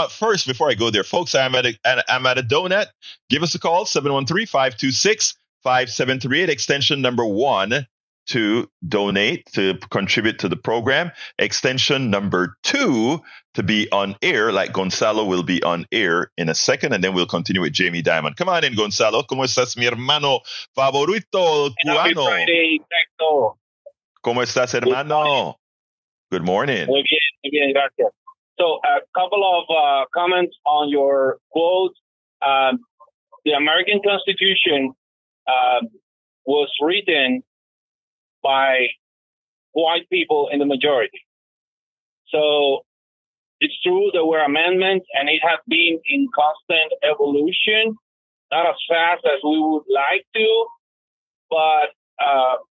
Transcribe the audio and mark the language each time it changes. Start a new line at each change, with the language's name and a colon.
English: First, before I go there, folks, I'm at a donut. Give us a call, 713-526-5738, extension number 1 to donate, to contribute to the program. Extension number 2 to be on air, like Gonzalo will be on air in a second, and then we'll continue with Jamie Dimon. Come on in, Gonzalo.
Spanish: ¿Cómo estás, mi hermano favorito cubano?
English: Happy Friday, Hector.
Spanish: ¿Cómo estás, hermano?
English: Good morning.
Spanish: Muy bien, muy bien, gracias.
English: So a couple of comments on your quote. The American Constitution was written by white people in the majority. So it's true there were amendments, and it has been in constant evolution, not as fast as we would like to, but...